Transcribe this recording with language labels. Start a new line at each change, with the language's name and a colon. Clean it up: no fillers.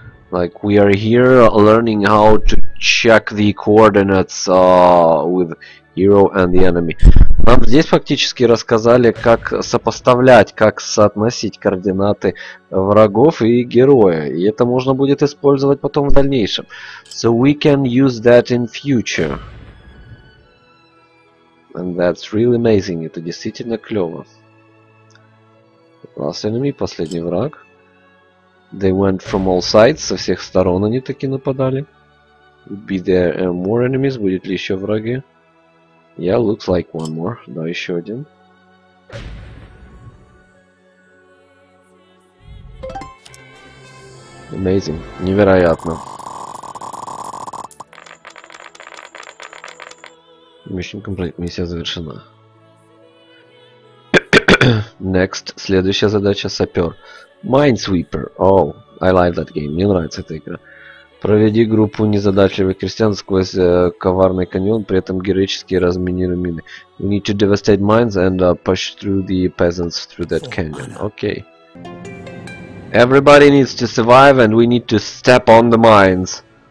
English: Like we are here learning how to check the coordinates with hero and the enemy.
Russian: Нам здесь фактически рассказали, как сопоставлять, как соотносить координаты врагов и героя. И это можно будет использовать потом в дальнейшем.
English: So we can use that in future. And that's really amazing.
Russian: Это действительно клево.
English: Last enemy,
Russian: последний враг.
English: They went from all sides,
Russian: со всех сторон они таки нападали.
English: Be there more enemies,
Russian: будет ли еще враги?
English: Yeah, looks like one more.
Russian: Да, еще один.
English: Amazing.
Russian: Невероятно.
English: Mission complete.
Russian: Миссия завершена.
English: Next.
Russian: Следующая задача. Сапер.
English: Minesweeper. Oh. I like that game.
Russian: Мне нравится эта игра. Проведи группу незадачливых крестьян сквозь коварный каньон, при этом героически разминируй мины.
English: We need to devastate mines and push through the peasants through that canyon. Okay. Everybody needs to survive, and we need to step on the mines.